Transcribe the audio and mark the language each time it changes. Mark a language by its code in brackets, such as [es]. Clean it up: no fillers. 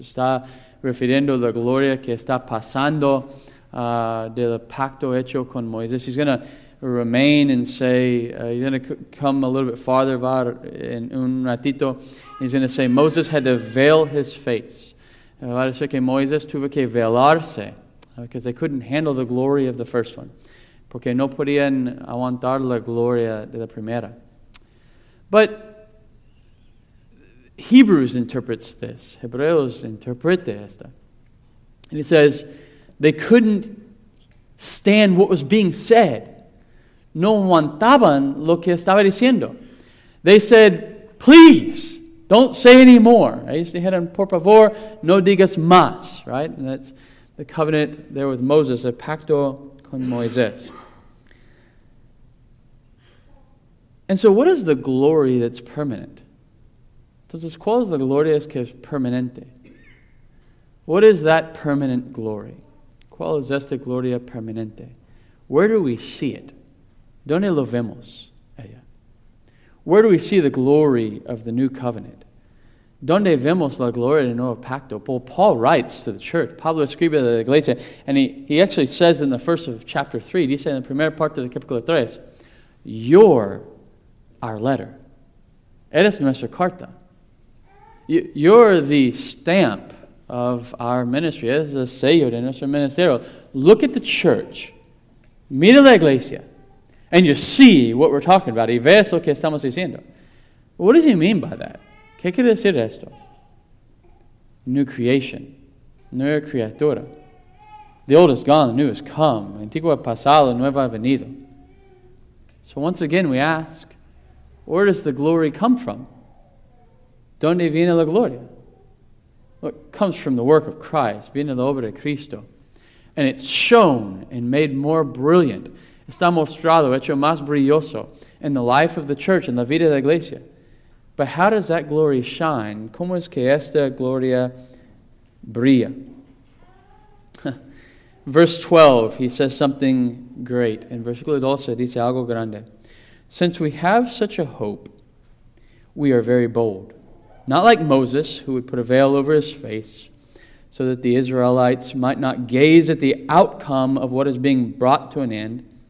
[es] Está refiriendo la gloria que está pasando del pacto hecho con Moisés. [en] He's going to remain and say, he's going to come a little bit farther in [es] un ratito. [en] He's going to say Moses had to veil his face. [es] Va a decir que Moisés tuvo que velarse [en] because they couldn't handle the glory of the first one. [es] Porque no podían aguantar la gloria de la primera. [en] But Hebrews interprets this. [es] Hebreos interprete esta. [en] And it says, they couldn't stand what was being said. [es] No aguantaban lo que estaba diciendo. [en] They said, please, don't say any more. [es] Ellos dijeron, por favor, no digas más. [en] Right? And that's the covenant there with Moses, [es] el pacto con Moisés. [en] And so what is the glory that's permanent? [es] Entonces, ¿cuál es la gloria que es permanente? [en] What is that permanent glory? [es] ¿Cuál es esta gloria permanente? [en] Where do we see it? [es] ¿Dónde lo vemos? Ella? [en] Where do we see the glory of the new covenant? [es] ¿Dónde vemos la gloria del nuevo pacto? [en] Well, Paul writes to the church. [es] Pablo escribe a la iglesia. [en] And he actually says in the first of chapter 3, [es] dice en la primera parte del capítulo 3, [en] you're our letter. [es] Eres nuestra carta. [en] You're the stamp of our ministry. [es] Es el sello de nuestro ministerio. [en] Look at the church. [es] Mira la iglesia. [en] and you see what we're talking about. [es] Y ves lo que estamos diciendo. [en] What does he mean by that? [es] ¿Qué quiere decir esto? [en] New creation. [es] Nueva criatura. [en] The old is gone, the new has come. [es] Antiguo ha pasado, nuevo ha venido. [en] So once again we ask, where does the glory come from? [es] ¿Dónde viene la gloria? [en] Well, it comes from the work of Christ, [es] viene la obra de Cristo. [en] And it's shown and made more brilliant. [es] Está mostrado, hecho más brilloso [en] in the life of the church, [es] in la vida de la iglesia. [en] But how does that glory shine? [es] ¿Cómo es que esta gloria brilla? [en] Verse 12, he says something great. In [es] versículo 12, dice algo grande. [en] Since we have such a hope, we are very bold. Not like Moses, who would put a veil over his face so that the Israelites might not gaze at the outcome of what is being brought to an end.